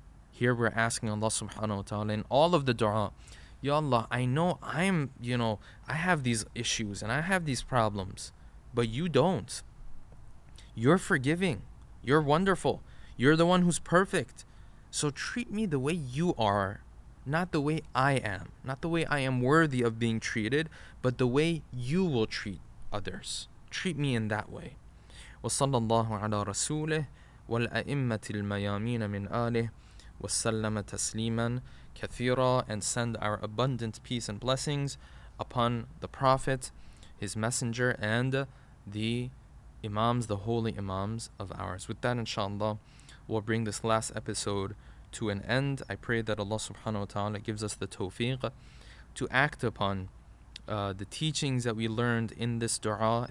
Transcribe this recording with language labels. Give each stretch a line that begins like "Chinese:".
English: Here we're asking Allah subhanahu wa ta'ala in all of the dua, Ya Allah, I know I'm, you know, I have these issues and I have these problems, but you don't. You're forgiving. You're wonderful. You're the one who's perfect. So treat me the way you are, not the way I am, not the way I am worthy of being treated, but the way you will treat others. Treat me in that way.
Arabic: وصلى الله على رسوله والأئمة الميامين من آله وسلم تسليما كثيرا.
English: And send our abundant peace and blessings upon the Prophet, his messenger, and the Imams, the holy Imams of ours. With that, inshallah, we'll bring this last episode to an end. I pray that Allah subhanahu wa ta'ala gives us the tawfiq to act upon the teachings that we learned in this dua.